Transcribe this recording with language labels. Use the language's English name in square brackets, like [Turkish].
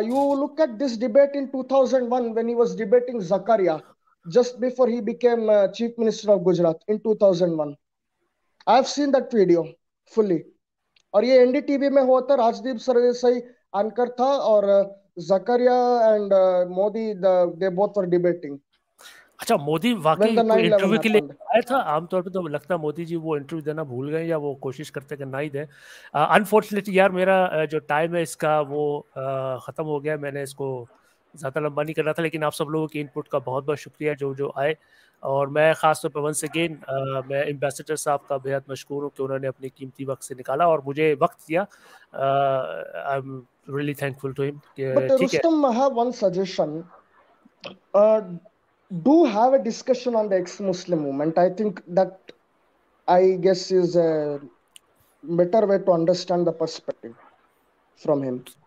[English] You look at this debate in 2001 when he was debating Zakaria, just before he became Chief Minister of Gujarat in 2001. I have seen that video fully. [Hindi] Aur ye NDTV mein hua tha, Rajdeep Sarwesai anchor tha, aur [English] Zakaria and Modi, they both were debating. [Hindi] अच्छा मोदी वाकई interview के लिए आया था? आमतौर पे तो लगता है मोदी जी वो इंटरव्यू देना भूल गए या वो कोशिश करते हैं कि ना ही दें. [English] unfortunately [Hindi] यार मेरा जो टाइम है इसका वो ख़त्म हो गया. मैंने इसको ज़्यादा लंबा नहीं करना था, लेकिन आप सब लोगों की इनपुट का बहुत बहुत शुक्रिया जो जो आए. और मैं ख़ासतौर पर [English] once again [Hindi] मैं एम्बेसडर साहब का बेहद मशकूर हूँ कि उन्होंने अपने कीमती वक्त से निकाला और मुझे वक्त दिया. [English] I am really thankful to him. [Hindi] ठीक है, [English] do have a discussion on the ex-Muslim movement. I think that, I guess, is a better way to understand the perspective from him.